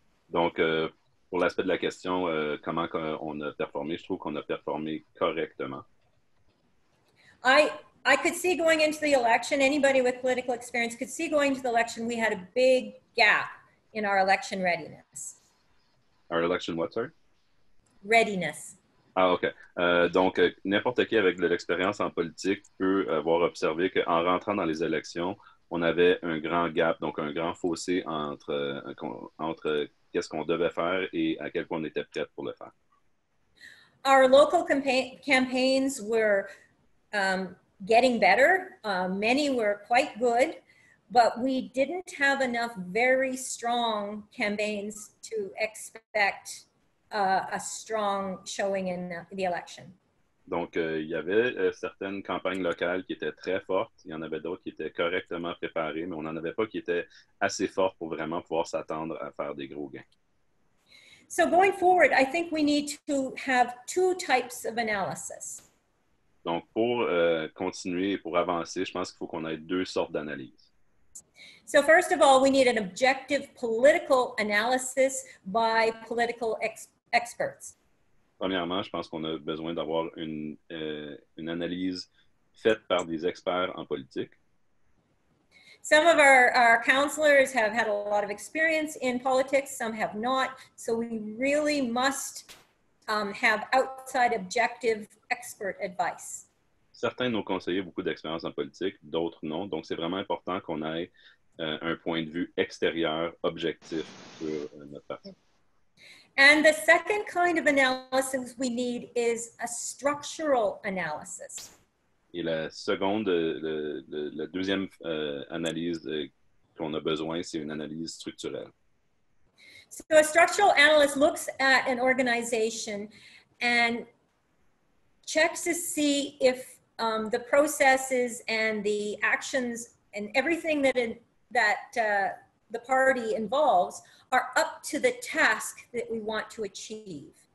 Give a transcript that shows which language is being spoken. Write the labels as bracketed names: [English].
[French] Donc, pour l'aspect de la question, comment on a performé, je trouve qu'on a performé correctement. [English] I could see going into the election, anybody with political experience could see going into the election, we had a big gap in our election readiness. Our election what, sorry? Readiness. Ah, OK. [French] Donc, n'importe qui avec de l'expérience en politique peut avoir observé qu'en rentrant dans les élections, on avait un grand gap, donc un grand fossé entre qu'est-ce qu'on devait faire et à quel point on était prêt pour le faire. [English] Our local campaigns were getting better. Many were quite good, but we didn't have enough very strong campaigns to expect a strong showing in the election. [French] Donc, il y avait certaines campagnes locales qui étaient très fortes. Il y en avait d'autres qui étaient correctement préparées, mais on n'en avait pas qui étaient assez fortes pour vraiment pouvoir s'attendre à faire des gros gains. [English] So going forward, I think we need to have two types of analysis. [French] Donc, pour continuer et pour avancer, je pense qu'il faut qu'on ait deux sortes d'analyses. [English] So first of all, we need an objective political analysis by political experts. [French] Premièrement, je pense qu'on a besoin d'avoir une analyse faite par des experts en politique. [English] Some of our counselors have had a lot of experience in politics, some have not. So we really must have outside objective expert advice. [French] Certains de nos conseillers ont beaucoup d'expérience en politique, d'autres non. Donc, c'est vraiment important qu'on ait un point de vue extérieur, objectif sur notre parti. [English] And the second kind of analysis we need is a structural analysis. [French] Et la seconde, la deuxième analyse qu'on a besoin, c'est une analyse structurelle. [English] So a structural analyst looks at an organization and checks to see if the processes and the actions and everything that the party involves are up to the task that we want to achieve.